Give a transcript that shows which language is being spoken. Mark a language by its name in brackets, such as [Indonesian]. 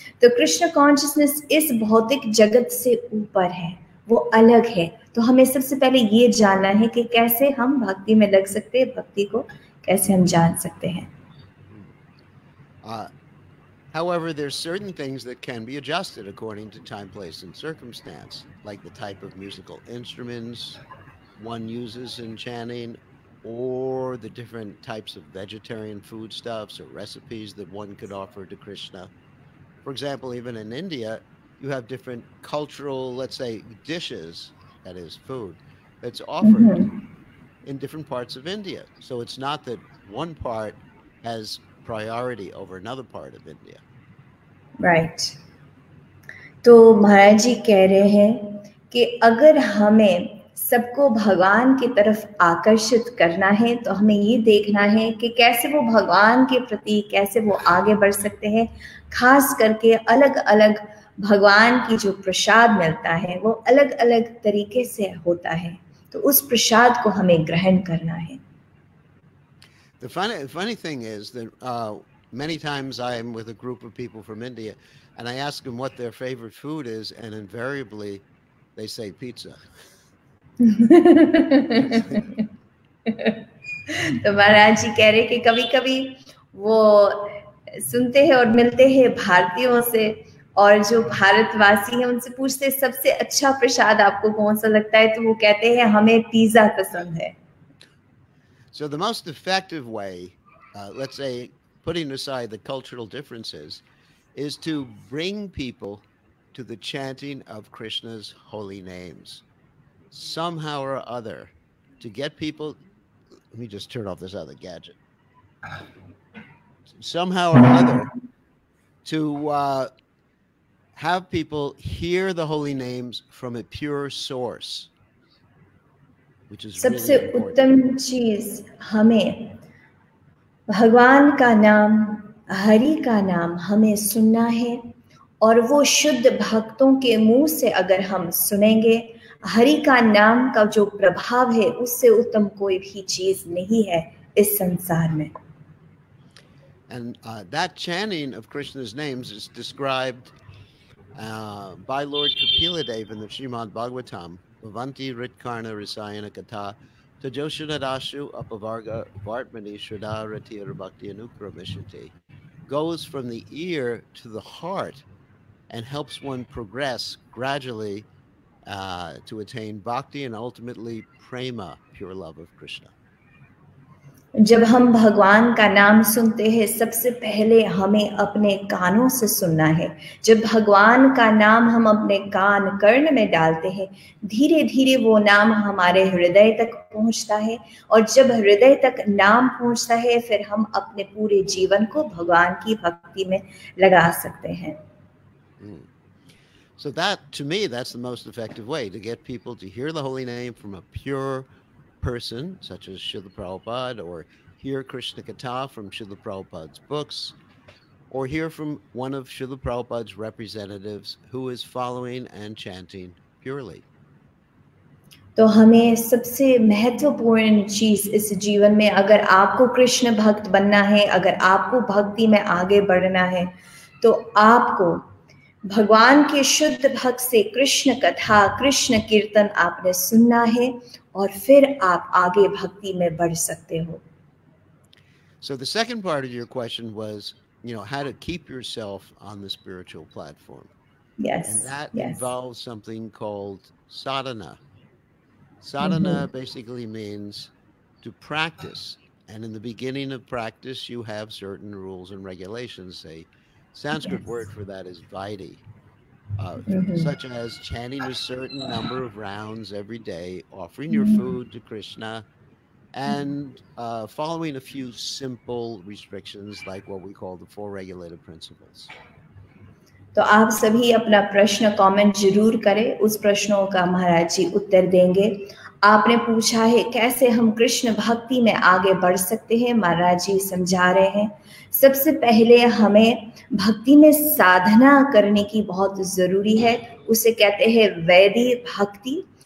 [Hindi] तो कृष्ण कॉन्शियसनेस इस भौतिक जगत से ऊपर है, वो अलग है. तो हमें सबसे पहले ये जानना है कि कैसे हम भक्ति में लग सकते हैं, भक्ति को कैसे हम जान सकते हैं. [English] However, there are certain things that can be adjusted according to time, place, and circumstance, like the type of musical instruments one uses in chanting, or the different types of vegetarian foodstuffs or recipes that one could offer to Krishna. For example, even in India, you have different cultural, let's say, dishes, that is food, that's offered in different parts of India. So it's not that one part has priority over another part of India. Right. So [Hindi] Maharaj Ji keh rahe hain ki agar hame sabko bhagwan ki taraf aakarshit karna hai, to hame ye dekhna hai ki kaise wo bhagwan ke prati kaise wo aage badh sakte hain. खास करके अलग अलग भगवान की जो प्रसाद मिलता है वो अलग अलग तरीके से होता है, तो उस प्रसाद को हमें ग्रहण करना है. [English] The funny thing is that many times I am with a group of people from India and I ask them what their favorite food is, and invariably they say pizza. [Hindi] तो महाराज जी कह रहे कि कभी कभी वो सुनते हैं और मिलते हैं भारतीयों से, और जो भारतवासी हैं उनसे पूछते हैं सबसे अच्छा प्रसाद आपको कौन सा लगता है, तो वो कहते हैं हमें पिज़्ज़ा पसंद है. [English] So the most effective way, let's say, putting aside the cultural differences, is to bring people to the chanting of Krishna's holy names. Somehow or other, to get people, let me just turn off this other gadget. Somehow or other, to have people hear the holy names from a pure source, which is [Hindi] सबसे उत्तम चीज हमें भगवान का नाम, हरि का नाम हमें सुनना है, और वो शुद्ध भक्तों के मुंह से अगर हम सुनेंगे हरि का नाम का जो प्रभाव है, उससे उत्तम कोई भी चीज नहीं है इस संसार में. [English] And that chanting of Krishna's names is described by Lord Kapiladeva in the Srimad Bhagavatam, [Sanskrit] Bhavanti Ritkarna Risayana Katha, Tajoshana Dashu Apavarga Vartmani Shraddha Ratir Bhakti Anukramishati, [English] goes from the ear to the heart and helps one progress gradually to attain bhakti and ultimately prema, pure love of Krishna. [Hindi] जब हम भगवान का नाम सुनते हैं सबसे पहले हमें अपने कानों से सुनना है. जब भगवान का नाम हम अपने कान कर्ण में डालते हैं, धीरे धीरे वो नाम हमारे हृदय तक पहुंचता है, और जब हृदय तक नाम पहुंचता है फिर हम अपने पूरे जीवन को भगवान की भक्ति में लगा सकते हैं. [English] So that, to me, that's the most effective way to get people to hear the holy name from a pure person, such as Srila Prabhupada, or hear Krishna Katha from Srila Prabhupada's books, or hear from one of Srila Prabhupada's representatives who is following and chanting purely. [Hindi] तो हमें सबसे महत्वपूर्ण चीज इस जीवन में, अगर आपको कृष्ण भक्त बनना है, अगर आपको भक्ति में आगे बढ़ना है, तो आपको भगवान के शुद्ध भक्त से कृष्ण कथा कृष्ण कीर्तन आपने सुनना है और फिर आप आगे भक्ति में बढ़ सकते हो. [English] So the second part of your question was, you know, how to keep yourself on the spiritual platform. Yes. And that involves something called sadhana. Sadhana basically means to practice. And in the beginning of practice, you have certain rules and regulations. Say, Sanskrit word for that is vaidhi, such as chanting a certain number of rounds every day, offering your food to Krishna, and following a few simple restrictions like what we call the four regulative principles. [Hindi] तो आप सभी अपना प्रश्न comment जरूर करें, उस प्रश्नों का महाराज जी उत्तर देंगे. आपने पूछा है कैसे हम कृष्ण भक्ति में आगे बढ़ सकते हैं, महाराज जी समझा रहे हैं. सबसे पहले हमें भक्ति में साधना करने की बहुत जरूरी है, उसे कहते हैं वैदी भक्ति.